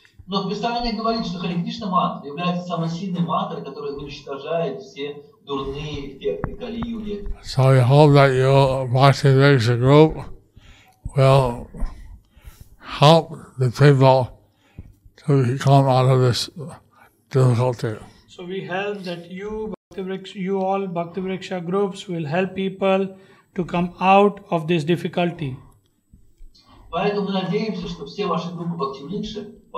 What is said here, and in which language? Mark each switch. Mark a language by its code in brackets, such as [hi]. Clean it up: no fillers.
[ru] Но Писание говорит, что Хари Кришна Мантра является самой сильной мантрой, которая уничтожает все дурные эффекты Кали Юги. [en] So we hope that your Bhakti-Vrksa group will help the people to come out of this difficulty. So we hope that you all Bhakti-Vrksa groups will help people to come out of this difficulty. [ru] Поэтому мы надеемся, что все ваши группы Бхакти-Врксы